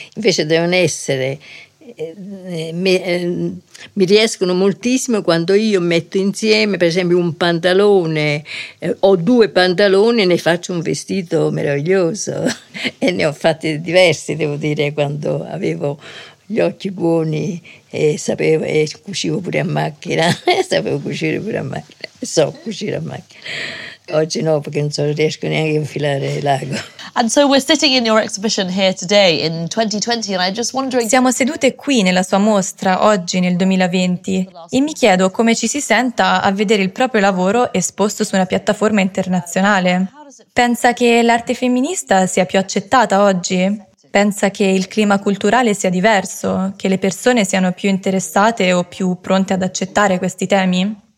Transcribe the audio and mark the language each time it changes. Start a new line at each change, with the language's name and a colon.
Italian: Invece devono essere, mi riescono moltissimo quando io metto insieme per esempio un pantalone, ho due pantaloni e ne faccio un vestito meraviglioso e ne ho fatti diversi, devo dire, quando avevo gli occhi buoni e sapevo, e cucivo pure a macchina, sapevo cucire pure a macchina, so cucire a macchina. Oggi no, perché non so, riesco neanche a infilare l'ago.
English: And so we're sitting in your exhibition here today in 2020, and I'm just wondering.
Italian: Siamo sedute qui nella sua mostra oggi nel 2020 e mi chiedo come ci si senta a vedere il proprio lavoro esposto su una piattaforma internazionale. Pensa che l'arte femminista sia più accettata oggi? Pensa che il clima culturale sia diverso, che le persone siano più interessate o più pronte ad accettare questi temi?